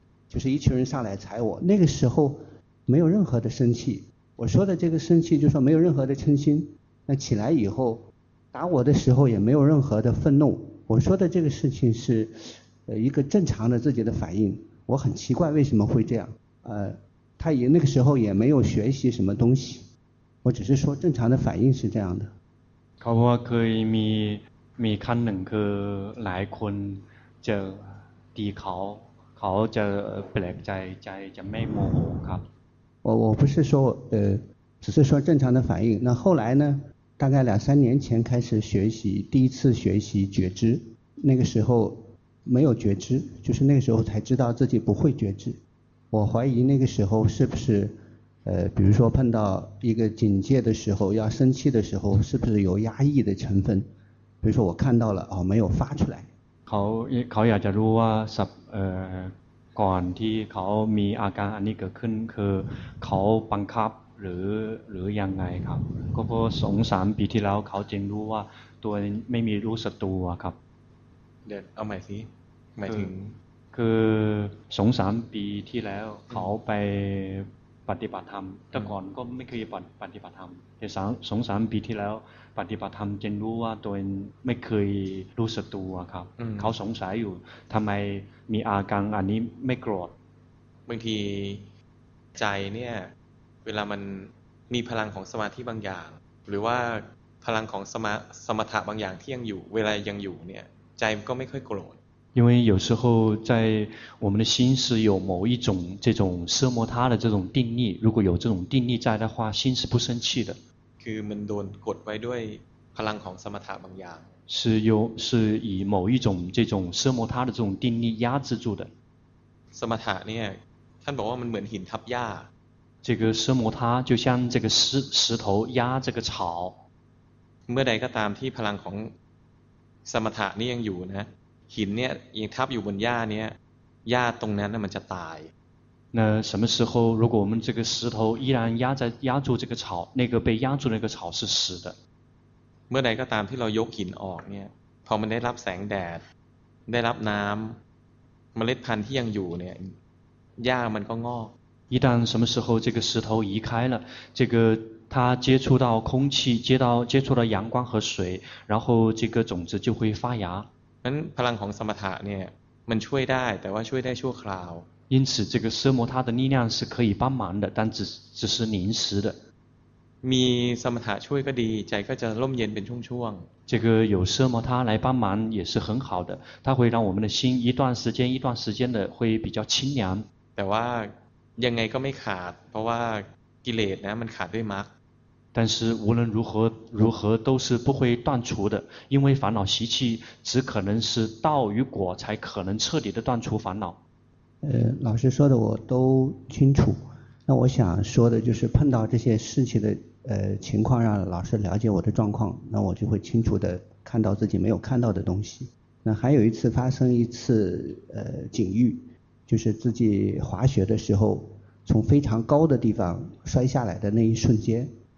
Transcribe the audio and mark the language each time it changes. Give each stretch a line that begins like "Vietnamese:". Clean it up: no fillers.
Chinese: 就是一群人上来踩我那个时候没有任何的生气我说的这个生气就是说没有任何的嗔心那起来以后打我的时候也没有任何的愤怒我说的这个事情是一个正常的自己的反应我很奇怪为什么会这样他也那个时候也没有学习什么东西我只是说正常的反应是这样的
Thai: เขาบอกว่าเคยมีคันหนึ่งคือหลายคนจะตีเขาจะแปลกใจจะไม่โมโหครับ
Chinese: 我不是说只是说正常的反应那后来呢大概两三年前开始学习第一次学习觉知那个时候没有觉知就是那个时候才知道自己不会觉知我怀疑那个时候是不是比如说碰到一个警戒的时候要生气的时候是不是有压抑的成分比如说我看到了没有发出来
Thai: เขาอยากจะรู้ว่าสับก่อนที่เขามีอาการอันนี้เกิดขึ้นคือเขาบังคับหรือยังไงครับก็เพราะสองสามปีที่แล้วเขาจึงรู้ว่าตัวไม่มีรู้สตัวครับ เดี๋ยวเอาใหม่สิหมายถึง คือสองสามปีที่แล้วเขาไปปฏิบัติธรรมแต่ก่อนก็ไม่เคยปฏิบัติธรรมแต่สองสามปีที่แล้วปฏิบัติธรรมจึงรู้ว่าตัวเองไม่เคยรู้สึกตัวครับเขาสงสัยอยู่ทำไมมีอาการอันนี้ไม่โกรธ บางทีใจเนี่ยเวลามันมีพลังของสมาธิบางอย่างหรือว่าพลังของสมถะบางอย่างที่ยังอยู่เวลายังอยู่เนี่ยใจก็ไม่ค่อยโกรธ
Chinese: 因为有时候在我们的心是有某一种这种奢摩他的这种定力，如果有这种定力在的话，心是不生气的。
Thai: คือมันโดนกดไว้ด้วยพลังของสมถะบางอย่าง
Chinese: 是以某一种这种奢摩他的这种定力压制住的。
Thai: สมถะเนี่ยท่านบอกว่ามันเหมือนหินทับหญ้า
Chinese: 这个奢摩他就像这个石头压这个草。
Thai: เมื่อใดก็ตามที่พลังของสมถะนี่ยังอยู่นะหินเนี่ยยังทับอยู่บนหญ้าเนี่ยหญ้าตรงนั้นมันจะตาย
Chinese: 那什么时候如果我们这个石头依然压住这个草那个被压住那个草是死的
Thai: เมื่อใดก็ตามที่เรายกหินออกเนี่ยพอมันได้รับแสงแดดได้รับน้ําเมล็ดพันธุ์ที่ยังอยู่เนี่ยหญ้ามันก็งอก
Chinese: 一旦什么时候这个石头移开了这个它接触到空气接触到阳光和水然后这个种子就会发芽
Thai: นั้นพลังของสมถะเนี่ยมันช่วยได้แต่ว่าช่วยได้ชั่วคราว
Chinese: 因此这个奢摩他的力量是可以帮忙的但只是临时的
Thai: มีสมถะช่วยก็ดีใจก็จะร่มเย็นเป็นช่วงช่วง
Chinese: 这个有奢摩他来帮忙也是很好的它会让我们的心一段时间的会比较清凉
Thai: แต่ว่ายังไงก็ไม่ขาดเพราะว่ากิเลสนะมันขาดด้วยมรรค แต่
Chinese: 是无论如何都是不会断除的因为烦恼习气只可能是道与果才可能彻底的断除烦恼老师说的我都清楚那我想说的就是碰到这些事情的情况让老师了解我的状况那我就会清楚的看到自己没有看到的东西那还有一次发生一次警遇就是自己滑雪的时候从非常高的地方摔下来的那一瞬间